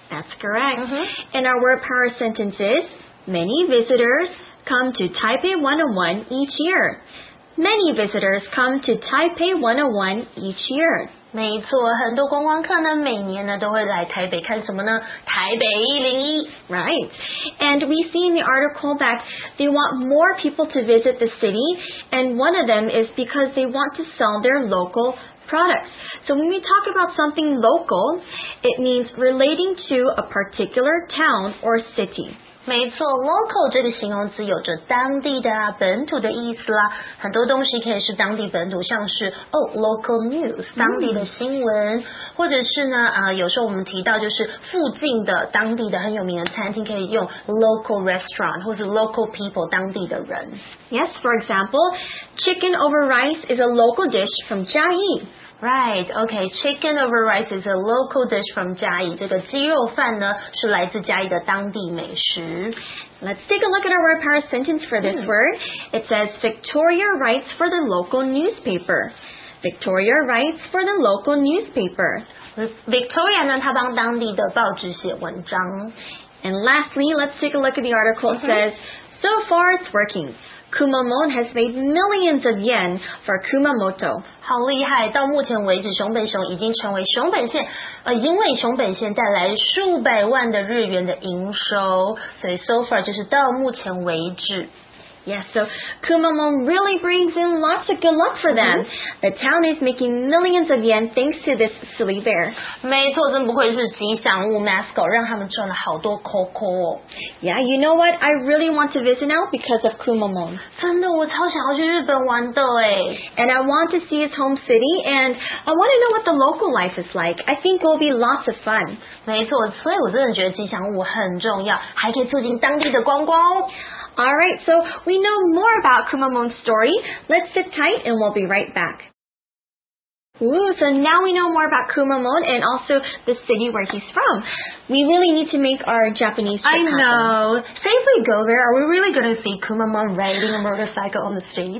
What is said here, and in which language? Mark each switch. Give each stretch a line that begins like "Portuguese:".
English: That's correct、In our word power sentences, many visitorscome to Taipei 101 each year. Many visitors come to Taipei 101 each year.
Chinese: 没错，很多观光客呢，每年呢都会来台北看什么呢？台北101。
English: Right. And we see in the article that they want more people to visit the city, and one of them is because they want to sell their local products. So when we talk about something local, it means relating to a particular town or city.
Chinese: 没错 ，local 这个形容词有着当地的、本土的意思啦。很多东西可以是当地本土，像是local news 当地的新闻，或者是呢有时候我们提到就是附近的当地的很有名的餐厅，可以用 local restaurant 或是 local people 当地的人。
English: Yes, for example, chicken over rice is a local dish from 嘉义。 Right, okay, chicken over rice is a local dish from 嘉义。
Chinese: 这个鸡肉饭呢，是来自嘉义的当地美食。
English: Let's take a look at our word power sentence for this word. It says, Victoria writes for the local newspaper. Victoria writes for the local newspaper.
Chinese: Victoria 呢，她帮当地的报纸写文章。
English: And lastly, let's take a look at the article. It says, So far it's working. Kumamon has made millions of yen for Kumamoto.
Chinese: 好厉害，到目前为止熊本熊已经成为熊本县因为熊本县带来数百万的日元的营收，所以 so far 就是到目前为止。
English: Yes, so Kumamon really brings in lots of good luck for them. The town is making millions of yen thanks to this silly bear.
Chinese: 没错，真不愧是吉祥物 mascot， 让他们赚了好多 coco。
English: Yeah, you know what? I really want to visit now because of Kumamon.
Chinese: 真的，我超想要去日本玩的耶。
English: And I want to see his home city, and I want to know what the local life is like. I think it will be lots of fun.
Chinese: 没错，所以我真的觉得吉祥物很重要，还可以促进当地的观光。
English: Alright, so we know more about Kumamon's story. Let's sit tight and we'll be right back. Ooh, so now we know more about Kumamon and also the city where he's from. We really need to make our Japanese trip happen. I know. Say if we go there, are we really going to see Kumamon riding a motorcycle on the street?